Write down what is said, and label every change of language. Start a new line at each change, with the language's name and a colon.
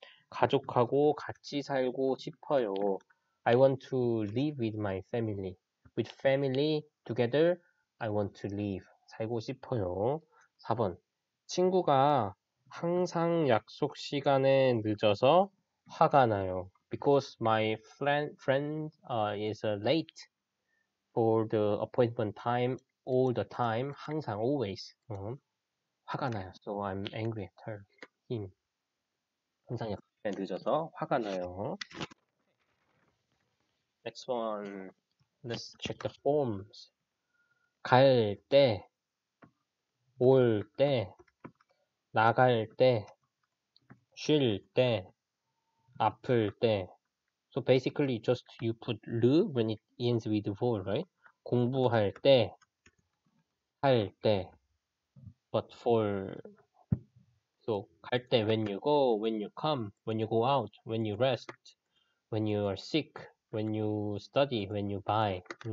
Korean: 가족하고 같이 살고 싶어요.
English: I want to live with my family. With family together, I want to live.
Korean: 살고 싶어요. 4번. 친구가 항상 약속 시간에 늦어서 화가 나요.
English: Because my friend is late for the appointment time all the time.
Korean: 항상
English: always.
Korean: 화가 나요.
English: So I'm angry at her. Him.
Korean: 항상 약속 시간에 늦어서 화가 나요.
English: Next one. Let's check the forms.
Korean: 갈 때. 올 때, 나갈 때, 쉴 때, 아플 때.
English: So basically, just you put 르 when it ends with 볼, right?
Korean: 공부할 때, 할 때,
English: but for. So 갈 때, when you go, when you come, when you go out, when you rest, when you are sick, when you study, when you buy.